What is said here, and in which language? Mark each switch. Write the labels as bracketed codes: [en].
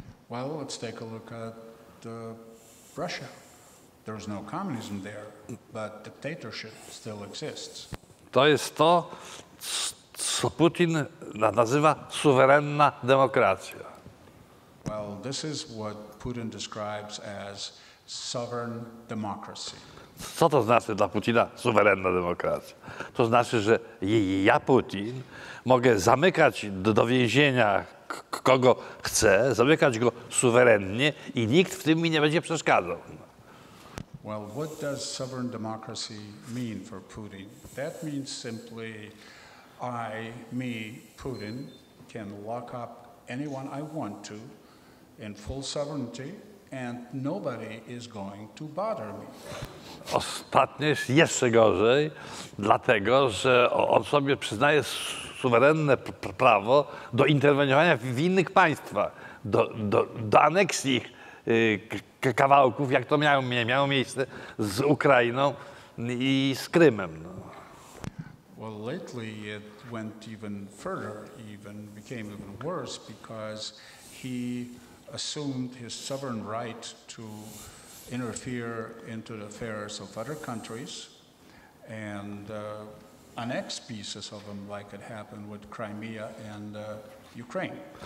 [en] Well, let's take a look at Russia. There is no communism there, but dictatorship still exists. [pl] To jest to, co Putin nazywa suwerenna demokracja. [en] Well, this is what Putin describes as sovereign democracy. [pl] Co to znaczy dla Putina suwerenna demokracja? To znaczy, że ja, Putin, mogę zamykać do więzienia kogo chcę, zamykać go suwerennie i nikt w tym mi nie będzie przeszkadzał. [en] Well, what does sovereign democracy mean for Putin? That means simply I, me, Putin, can lock up anyone I want to in full sovereignty and nobody is going to bother me. [pl] Ostatnio jest jeszcze gorzej, dlatego że on sobie przyznaje suwerenne prawo do interweniowania w innych państwach, do aneksji ich kawałków, jak to miało miejsce z Ukrainą i z Krymem. No. [en] Well, lately it went even further, even became even worse, because he assumed his sovereign right to interfere into the affairs of other countries and annex pieces of them, like it happened with Crimea and Ukraine.